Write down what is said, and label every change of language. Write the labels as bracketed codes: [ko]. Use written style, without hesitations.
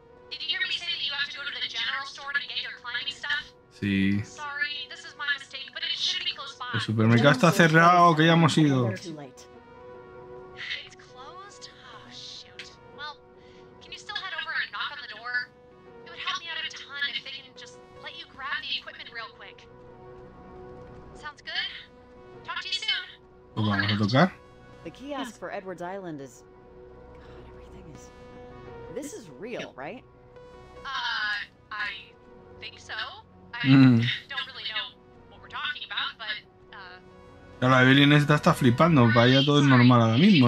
[en] Did you hear me say that you have to go to the general store to get your climbing stuff? [es] Sí. [en] Sorry, this is my mistake, but it should be close by. [es] El supermercado está cerrado, que ya hemos ido. [en] It's closed? Oh, shoot. Well, can you still head over and knock on the door? It would help me out a ton if they can just let you grab the equipment real quick. Sounds good? Talk to you soon. [es] Pues vamos a tocar. [en] The kiosk for Edwards Island is... God, everything is... This is real, right? I think so. I don't really know what we're talking about, but... [es] La Evelyn está flipando, vaya, todo es normal ahora mismo.